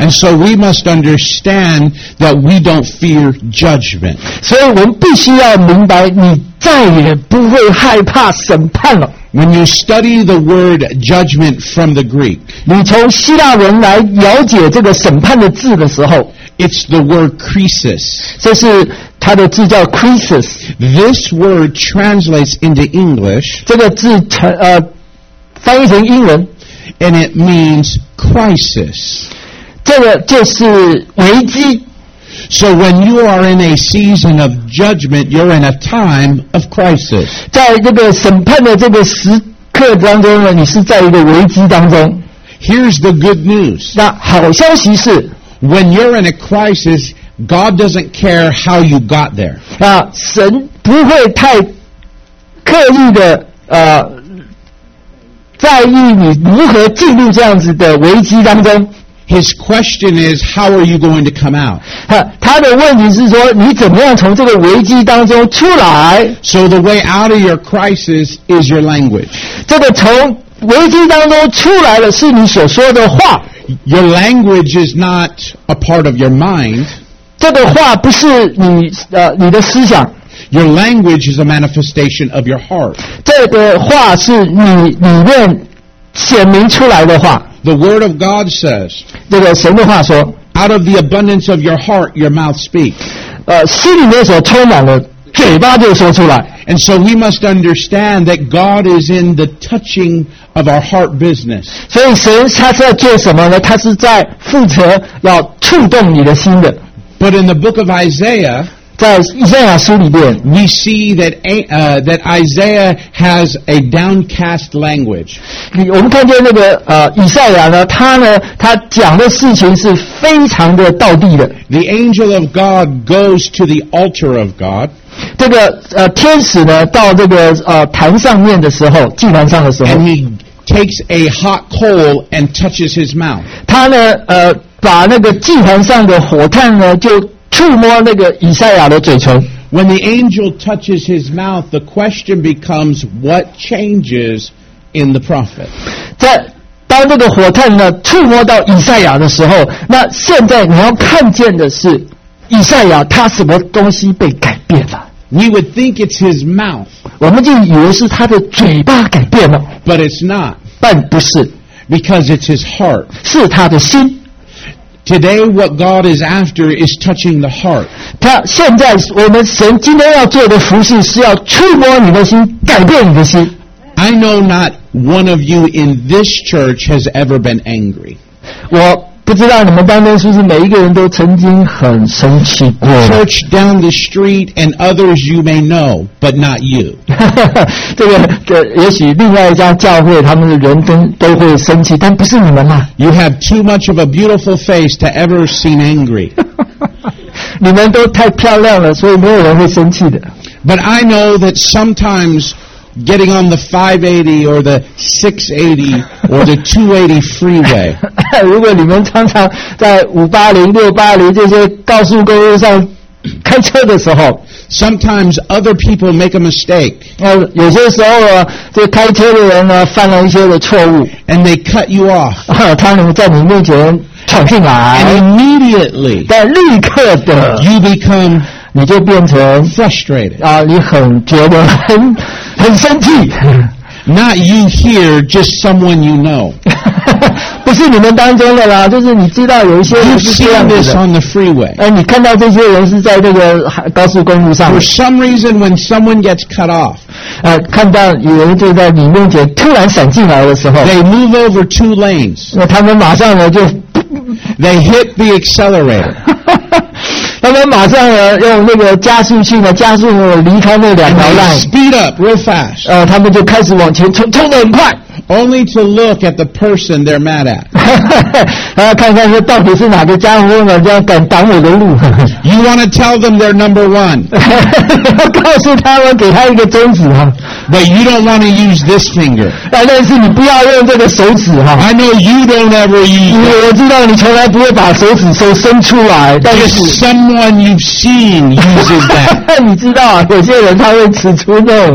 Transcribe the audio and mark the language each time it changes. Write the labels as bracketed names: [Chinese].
[English] And so we must understand that we don't fear judgment. [Chinese] 所以我们必须要明白，你再也不会害怕审判了。 [English] When you study the word judgment from the Greek, [Chinese] 你从希腊文来了解这个审判的字的时候， [English] it's the word krisis. [Chinese] 这是它的字叫 krisis. [English] This word translates into English. [Chinese] 这个字翻译成英文， [English] and it means crisis. [Chinese] 这个就是危机。 [English] So when you are in a season of judgment, you're in a time of crisis. [Chinese] 在这个审判的这个时刻当中呢，你是在一个危机当中。 [English] Here's the good news. [Chinese] 那好消息是 [English] ，When you're in a crisis, God doesn't care how you got there. [Chinese] 那神不会太刻意的在意你如何进入这样子的危机当中。 [English] His question is, how are you going to come out? [Chinese] 他的问题是说，你怎么样从这个危机当中出来？ [English] So the way out of your crisis is your language. [Chinese] 这个从危机当中出来的是你所说的话。 [English] Your language is not a part of your mind. [Chinese] 这个话不是你的思想。 [English] Your language is a manifestation of your heart. [Chinese] 这个话是你里面显明出来的话。 [English] The word of God says, [Chinese] 这个神的话说, [English] out of the abundance of your heart, your mouth speaks. [Chinese] 心里面所充满的嘴巴就说出来。 [English] And so we must understand that God is in the touching of our heart business. [Chinese] 所以神他是在做什么呢？他是在负责要触动你的心的。 [English] But in the book of Isaiah, [Chinese] 在以赛亚书里面, [English] we see that, that Isaiah has a downcast language. [Chinese] 我们看见那个以赛亚呢，他呢，他讲的事情是非常的道地的。 [English] The angel of God goes to the altar of God. [Chinese] 这个天使呢，到这个坛上面的时候，祭坛上的时候， [English] and he takes a hot coal and touches his mouth. [Chinese] 他呢，把那个祭坛上的火炭呢，就触摸那个以赛亚的嘴唇。 [English] When the angel touches his mouth, the question becomes, what changes in the prophet? [Chinese] 在当那个火炭呢触摸到以赛亚的时候，那现在你要看见的是以赛亚他什么东西被改变了。 [English] We would think it's his mouth. [Chinese] 我们就以为是他的嘴巴改变了。 [English] But it's not. [Chinese] 但不是。 [English] Because it's his heart. [Chinese] 是他的心。 [English] Today, what God is after is touching the heart. [Chinese] 他现在我们神今天要做的服事是要触摸你的心，改变你的心。 [English] I know not one of you in this church has ever been angry. [Chinese] 我不知道你们当中是不是每一个人都曾经很生气过。 [English] Church down the street and others you may know, but not you. [Chinese] 这个也许另外一家教会他们的人都会生气，但不是你们啦。 [English] You have too much of a beautiful face to ever seem angry. [Chinese] 你们都太漂亮了，所以没有人会生气的。 [English] But I know that sometimes getting on the 580 or the 680 or the 280 freeway. [Chinese] 如果你们常常在580、680这些高速公路上开车的时候， [English] sometimes other people make a mistake. [Chinese] 有些时候这开车的人犯了一些的错误， [English] and they cut you off. [Chinese] 他们在你面前闯进来， [English] and immediately, [Chinese] 但立刻的， [English] you become, [Chinese] 你就变成 [English] frustrated. [Chinese] 你很觉得很生气。 [English] Not you here, just someone you know. [Chinese] 不是你们当中的啦，就是你知道有一些人是这样的。 [English] You've seen this on the freeway. [Chinese] 你看到这些人是在那个高速公路上。 [English] For some reason, when someone gets cut off, [Chinese] 看到有人就在你面前突然闪进来的时候 [English] ，They move over two lanes. [Chinese] 他们马上呢就 [English] ，They hit the accelerator. [Chinese] 他们马上呢用那个加速器呢加速离开那两条 [English] line。 Speed up real fast. [Chinese] 他们就开始往前冲，冲得很快。 [English] Only to look at the person they're mad at. [Chinese] 看看说到底是哪个家伙呢？这样敢挡我的路。 [English] You want to tell them they're number one. [Chinese] 告诉他们，给他一个中指哈。 [English] But you don't want to use this finger. [Chinese] 但是你不要用这个手指哈。 [English] I know you don't ever use. [Chinese] 我知道你从来不会把手指手伸出来。但是 [English] someone you've seen uses that. [Chinese] 你知道啊，有些人他会吃醋的。